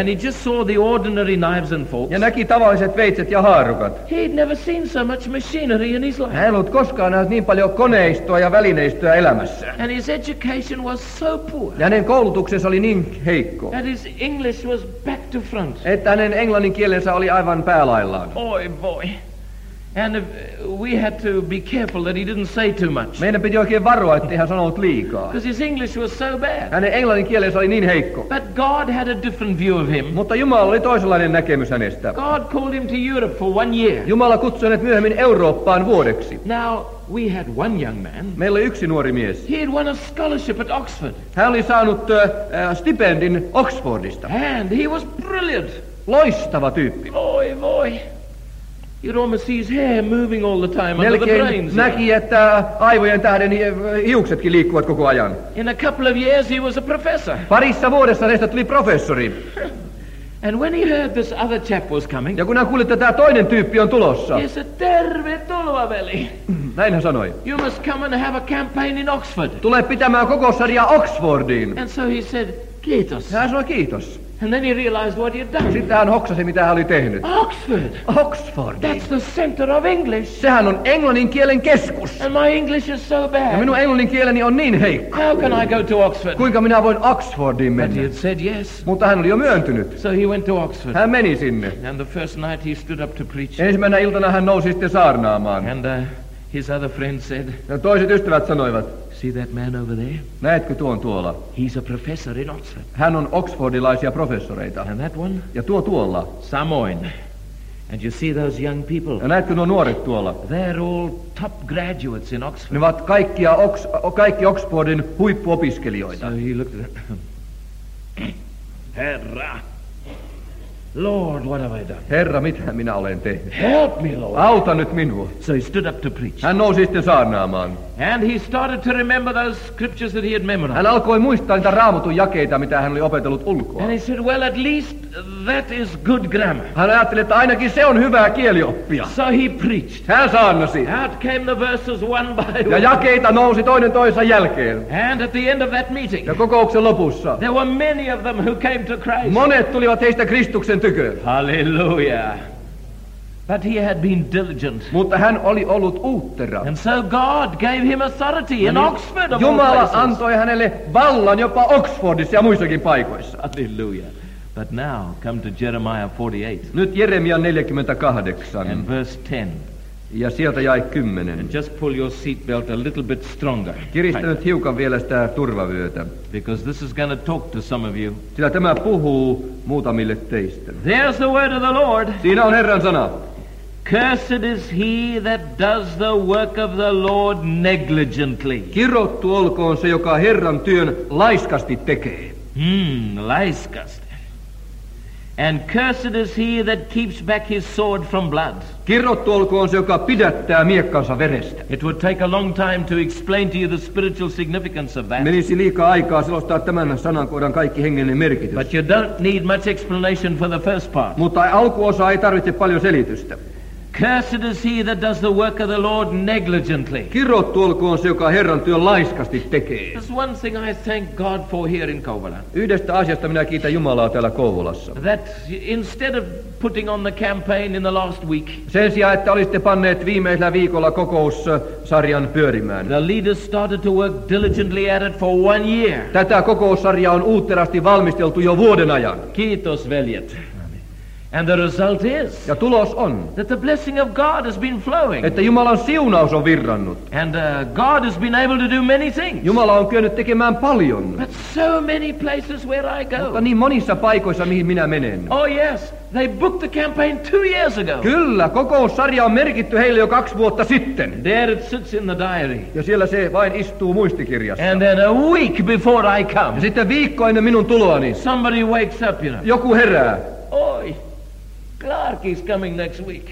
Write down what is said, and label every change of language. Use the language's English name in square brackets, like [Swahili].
[English] And he just saw the ordinary knives and forks. [Finnish] Ja näki tavalliset veitset ja haarukat. [English] He'd never seen so much machinery in his life. [Finnish] Hän ei ollut koskaan nähnyt niin paljon koneistoa ja välineistöä elämässä. [English] And his education was so poor. [Finnish] Ja hänen koulutuksensa oli niin heikko. [English] That his English was back to front. [Finnish] Että hänen englannin kielensä oli aivan päälaillaan. Oi voi. [English] And we had to be careful that he didn't say too much. [Finnish] Meidän piti oikein varoa, ettei hän sanonut liikaa. [English] Because his English was so bad. [Finnish] Hänen englannin kielensä oli niin heikko. [English] But God had a different view of him. [Finnish] Mutta Jumala oli toisenlainen näkemys hänestä. [English] God called him to Europe for one year. [Finnish] Jumala kutsui hänet myöhemmin Eurooppaan vuodeksi. [English] Now we had one young man. [Finnish] Meillä oli yksi nuori mies. [English] He had won a scholarship at Oxford. [Finnish] Hän oli saanut stipendin Oxfordista. [English] And he was brilliant. [Finnish] Loistava tyyppi. Oi voi. [English] You'd almost see his hair moving all the time under [Finnish] melkein [English] the brains. [Finnish] Näki, että aivojen tähden hiuksetkin liikkuvat koko ajan. [English] In a couple of years he was a professor. [Finnish] Parissa vuodessa hänestä tuli professori. [English] And when he heard this other chap was coming. [Finnish] Ja kun hän kuuli, että tämä toinen tyyppi on tulossa. [English] He said, [Finnish] tervetuloa, veli. Näin hän sanoi. [English] You must come and have a campaign in Oxford. [Finnish] Tule pitämään kokoussarjaa Oxfordiin. [English] And so he said, kiitos. [Finnish] Ja hän sanoi, kiitos. [English] And then he realized what he had done. [Finnish] Sitten hän hoksasi, mitä hän oli tehnyt. [English] Oxford. [Finnish] Oxford. [English] That's the center of English. [Finnish] Sehän on englannin kielen keskus. [English] And my English is so bad. [Finnish] Ja minun englannin kieleni on niin heikko. [English] How can I go to Oxford? [Finnish] Kuinka minä voin Oxfordiin mennä? [English] But he had said yes. [Finnish] Mutta hän oli jo myöntynyt. [English] So he went to Oxford. [Finnish] Hän meni sinne. [English] And the first night he stood up to preach. [Finnish] Ensimmäisenä iltana hän nousi sitten saarnaamaan. [English] And his other friend said. [Finnish] Ja toiset ystävät sanoivat. [English] See that man over there? [Finnish] Näetkö tuon tuolla? [English] He's a professor in Oxford. [Finnish] Hän on Oxfordilaisia professoreita. [English] And that one? [Finnish] Ja tuo tuolla. [English] Samoin. And you see those young people? [Finnish] Ja näetkö nuo nuoret tuolla? [English] They're all top graduates in Oxford. [Finnish] Ne ovat kaikki Oxfordin huippuopiskelijoita. [English] So he looked at them. Herra! Lord, what have I done? [Finnish] Herra, mitä minä olen tehnyt? [English] Help me, Lord. [Finnish] Auta nyt minua. [English] So he stood up to preach. [Finnish] Hän nousi sitten saarnaamaan. [English] And he started to remember those scriptures that he had memorized. [Finnish] Hän alkoi muistaa niitä Raamatun jakeita, mitä hän oli opetellut ulkoa. [English] And he said, well, at least that is good grammar. [Finnish] Hän ajatteli, että ainakin se on hyvää kielioppia. [English] So he preached. [Finnish] Hän saarnasi. [English] Out came the verses one by one. [Finnish] Ja jakeita nousi toinen toisen jälkeen. [English] And at the end of that meeting. [Finnish] Ja kokouksen lopussa. [English] There were many of them who came to Christ. [Finnish] Monet tulivat heistä Kristuksen tykö. [English] Hallelujah. But he had been diligent. [Finnish] Mutta hän oli ollut uuttera. [English] And so God gave him authority in Oxford. [Finnish] Jumala antoi hänelle vallan jopa Oxfordissa ja muissakin paikoissa. [English] Hallelujah. But now come to Jeremiah 48. [Finnish] Nyt Jeremia 48. [English] And verse 10. [Finnish] Ja sieltä jäi 10. [English] And just pull your seatbelt a little bit stronger. [Finnish] Kiristä nyt hiukan vielä sitä turvavyötä. [English] Because this is going to talk to some of you. [Finnish] Sillä tämä puhuu muutamille teistä. [English] There's the word of the Lord. [Finnish] Siinä on Herran sana. [English] Cursed is he that does the work of the Lord negligently. [Finnish] Kirottu olkoon se, joka Herran työn laiskasti tekee. Laiskasti. [English] And cursed is he that keeps back his sword from blood. [Finnish] Kirottu olkoon se, joka pidättää miekkansa verestä. [English] It would take a long time to explain to you the spiritual significance of that. [Finnish] Menisi liikaa aikaa selostaa tämän sanankohdan kaikki hengellinen merkitys. [English] But you don't need much explanation for the first part. [Finnish] Mutta alkuosa ei tarvitse paljon selitystä. [English] Cursed is he that does the work of the Lord negligently. [Finnish] Kirottu olkoon se, joka Herran työn laiskasti tekee. [English] There's one thing I thank God for here in Kouvola. [Finnish] Yhdestä asiasta minä kiitän Jumalaa täällä Kouvolassa. [English] That instead of putting on the campaign in the last week. [Finnish] Sen sijaan, että olisitte panneet viimeisellä viikolla kokoussarjan pyörimään. [English] The leaders started to work diligently at it for one year. [Finnish] Tätä kokoussarjaa on uutterasti valmisteltu jo vuoden ajan. Kiitos, veljet. [English] And the result is. [Finnish] Ja tulos on. [English] That the blessing of God has been flowing. [Finnish] Että Jumalan siunaus on virrannut. [English] And God has been able to do many things. [Finnish] Jumala on kyennyt tekemään paljon. [English] But so many places where I go. [Finnish] Mutta niin monissa paikoissa mihin minä menen. [English] Oh yes, they booked the campaign 2 years ago. [Finnish] Kyllä, kokoussarja on merkitty heille jo 2 vuotta sitten. [English] There it sits in the diary. [Finnish] Ja siellä se vain istuu muistikirjassa. [English] And then a week before I come. [Finnish] Ja sitten viikko ennen minun tuloani. [English] Somebody wakes up, you know. [Finnish] Joku herää. [English] Oi. Clark is coming next week.